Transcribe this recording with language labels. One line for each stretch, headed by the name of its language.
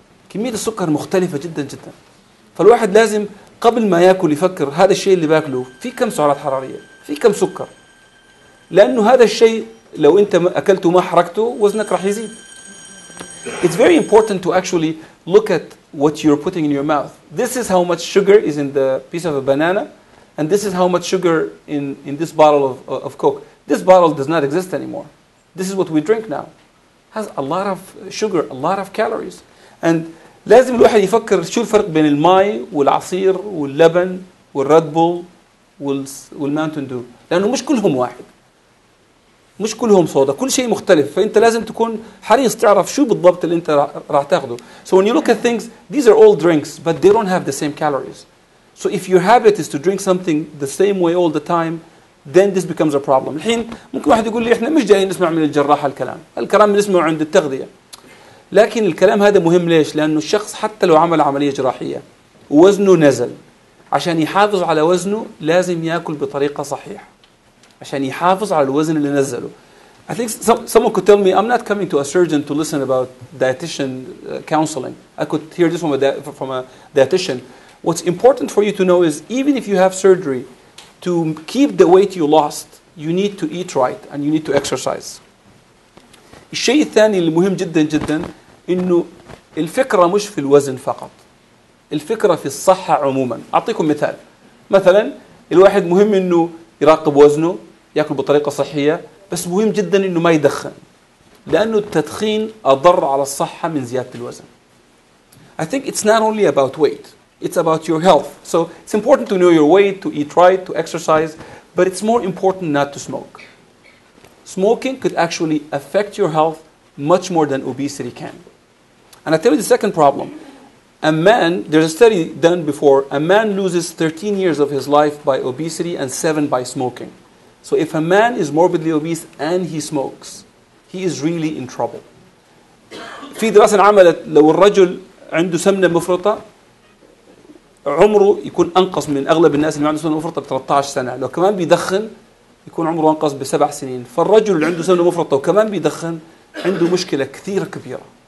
Arabic: كمية السكر مختلفة جدا جدا. فالواحد لازم قبل ما يأكل يفكر هذا الشيء اللي بأكله في كم سعرات حرارية، في كم سكر، لأنه هذا الشيء لو أنت أكلته ما حركته وزنك راح يزيد.
English: It's very important to actually look at what you're putting in your mouth. This is how much sugar is in the piece of a banana, and this is how much sugar in this bottle of Coke. This bottle does not exist anymore. This is what we drink now. It has a lot of sugar, a lot of calories.
Arabic: And لازم الواحد يفكر شو الفرق بين الماء والعصير واللبن والريد بول والماونتن دو، لأنه مش كلهم واحد، مش كلهم صودا، كل شيء مختلف. فأنت لازم تكون حريص تعرف شو بالضبط اللي أنت راح تاخده.
English: So when you look at things, these are all drinks, but they don't have the same calories. So if your habit is to drink something the same way all the time, then this becomes a problem.
Arabic: الحين ممكن واحد يقول لي إحنا مش جايين نسمع من الجراح الكلام، الكلام نسمعه عند التغذية. لكن الكلام هذا مهم ليش؟ لأنه الشخص حتى لو عمل عملية جراحية ووزنه نزل، عشان يحافظ على وزنه لازم يأكل بطريقة صحيحة عشان يحافظ على الوزن اللي نزله.
English: I think someone could tell me I'm not coming to a surgeon to listen about dietitian counseling. I could hear this from a dietitian. What's important for you to know is even if you have surgery, to keep the weight you lost, you need to eat right and you need to exercise. الشيء الثاني المهم جدا جدا إنه الفكرة مش في الوزن فقط، الفكرة في الصحة عموما. أعطيكم مثال. مثلا الواحد مهم إنه يراقب وزنه، يأكل بطريقة صحية، بس مهم جدا إنه ما يدخن، لأنه التدخين أضر على الصحة من زيادة الوزن. I think it's not only about weight, it's about your health. So it's important to know your weight, to eat right, to exercise, but it's more important not to smoke. Smoking could actually affect your health much more than obesity can. And I tell you the second problem. A man, there's a study done before, a man loses 13 years of his life by obesity and 7 by smoking. So if a man is morbidly obese and he smokes, he is really in trouble.
Arabic: في دراسة عملت لو الرجل عنده سمنة مفرطة عمره يكون أنقص من أغلب الناس اللي عنده سمنة مفرطة ب 13 سنة. لو كمان بيدخن يكون عمره أنقص بسبع سنين. فالرجل اللي عنده سمنة مفرطة وكمان بيدخن عنده مشكلة كثيرة كبيرة.